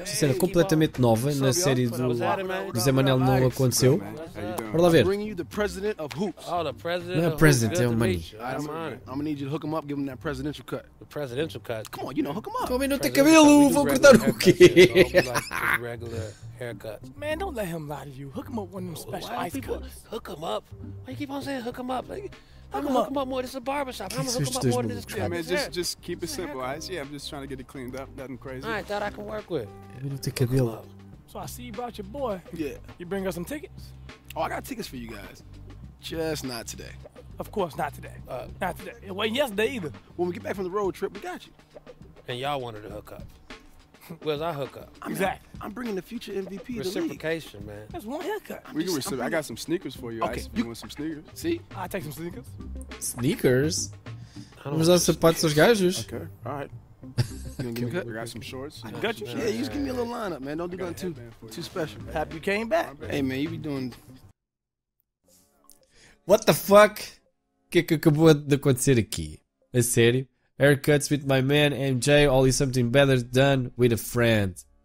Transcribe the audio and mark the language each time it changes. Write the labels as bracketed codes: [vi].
[pt] Essa cena completamente nova na série do Zé Manel não aconteceu. Bora lá ver. [en] Bring you the president of hoops. Oh, the president. [pt] Não é president, é o money. [en] I'm gonna need you to hook him up, give him that presidential cut. The presidential cut. Come on, you know, hook him up. [pt] Tô vendo ter cabelo, vou cortar o quê? [en] Regular haircut. Man, don't let him lie to you. Hook him up one of them special ice cuts. Hook him up. Why you keep on saying hook him up? I'm gonna hook him up more. This is a barbershop. I'm gonna hook him up more than this. Yeah, man, just keep it simple, guys. Yeah, I'm just trying to get it cleaned up. Nothing crazy. All right, that I can work with. We don't take a deal. So I see you brought your boy. Yeah. You bring us some tickets? Oh, I got tickets for you guys. Just not today. Of course, not today. Not today. It wasn't yesterday either. When we get back from the road trip, we got you. And y'all wanted to hook up. Where's our hookup? Exactly. I'm bringing the future MVP to the league. Reciprocation, man. That's one haircut. I got some sneakers for you, Ice. You want some sneakers? See? I take some sneakers. [pt] Sneakers? Vamos dar sapatos aos gajos. [en] Okay, alright. We got some shorts. I got you. Yeah, you just give me a little lineup, man. Don't do nothing too special. Happy you came back. Hey, man, you be doing... What the fuck? [pt] O que é que acabou de acontecer aqui? A sério? [en] Haircuts with my man MJ, only something better done with a friend.